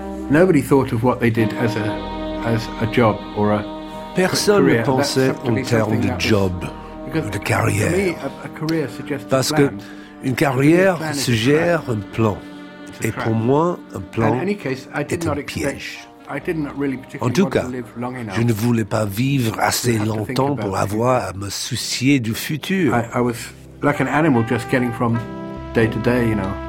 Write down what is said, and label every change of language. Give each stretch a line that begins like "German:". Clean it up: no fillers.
English: Nobody thought of what they did as a job or a career.
French: Personne ne pensait en termes de job ou de carrière. Parce que une carrière suggère un plan. Et pour moi, un plan est un piège. En tout cas, je ne voulais pas vivre assez longtemps pour avoir à me soucier du futur.
English: I was like an animal just getting from day to day, you know.